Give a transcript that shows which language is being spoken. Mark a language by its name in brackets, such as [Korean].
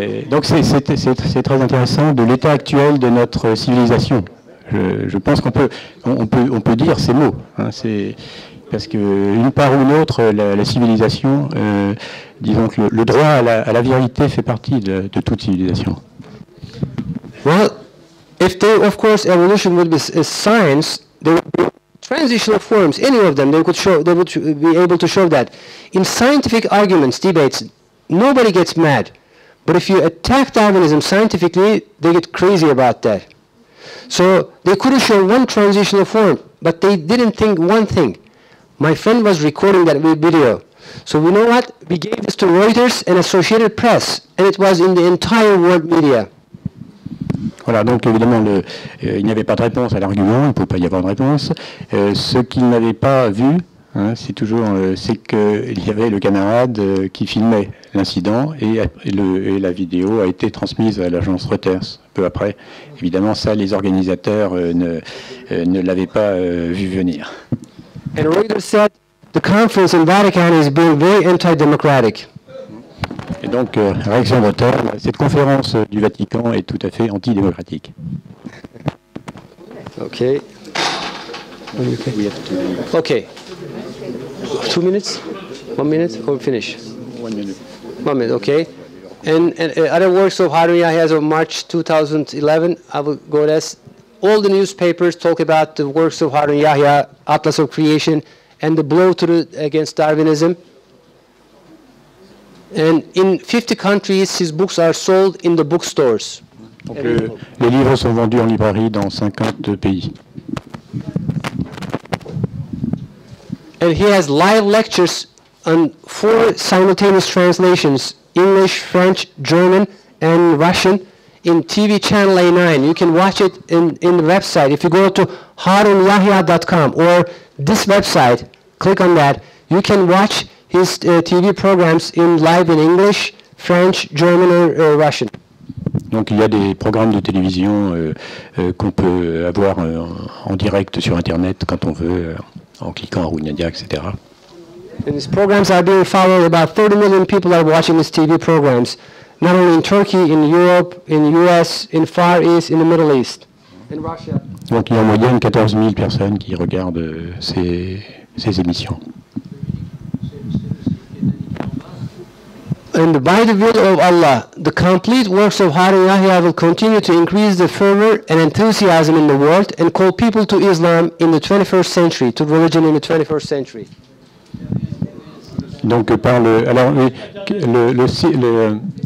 [French] Donc c'est très intéressant de l'état actuel de notre civilisation. Je pense qu'on peut dire ces mots. Hein, c'est... parce que d'une part ou l'autre, la civilisation, disons que le droit à la vérité fait partie de toute civilisation. [English] Well, if they, of course, evolution would be a science, there would be transitional forms, any of them, they would be able to show that. In scientific arguments, debates, nobody gets mad. But if you attack Darwinism scientifically, they get crazy about that. So they couldn't show one transitional form, but they didn't think one thing. My friend was recording that video. So you know what? We gave this to Reuters and Associated Press, and it was in the entire world media. [French] Voilà, donc évidemment, il n'y avait pas de réponse à l'argument, il ne pouvait pas y avoir de réponse. Ce qu'il n'avait pas vu, hein, c'est toujours, c'est qu'il y avait le camarade qui filmait l'incident et la vidéo a été transmise à l'agence Reuters peu après. Évidemment, ça, les organisateurs ne l'avaient pas vu venir. [English] And Reuters said the conference in Vatican is being very anti-democratic. [French] Et donc, réaction d'auteur, cette conférence du Vatican est tout à fait antidémocratique. [English] Ok. Okay. Ok. 2 minutes? 1 minute? Or finish? 1 minute. 1 minute, ok. And other works of Harun Yahya as of March 2011, I will go less. All the newspapers talk about the works of Harun Yahya, Atlas of Creation, and the blow to against Darwinism. And in 50 countries, his books are sold in the bookstores. [French] Donc, les livres sont vendus en librairie dans 50 pays. [English] And he has live lectures on 4 simultaneous translations, English, French, German, and Russian, in TV channel A9. You can watch it in the website. If you go to harunyahya.com or this website, click on that, you can watch his TV programs in live in English, French, German or Russian. [French] Donc il y a des programmes de télévision qu'on peut avoir en direct sur internet quand on veut en cliquant Harun Yahya, etc. [English] And his programs are being followed, about 30 million people are watching his TV programs, not only in Turkey, in Europe, in US, in Far East, in the Middle East, in Russia. [French] Donc il y a en moyenne 14 000 personnes qui regardent ces émissions. [English] And by the will of Allah, the complete works of Harun Yahya will continue to increase the fervor and enthusiasm in the world and call people to Islam in the 21st century, to religion in the 21st century. [French] Donc par le alors oui, le site le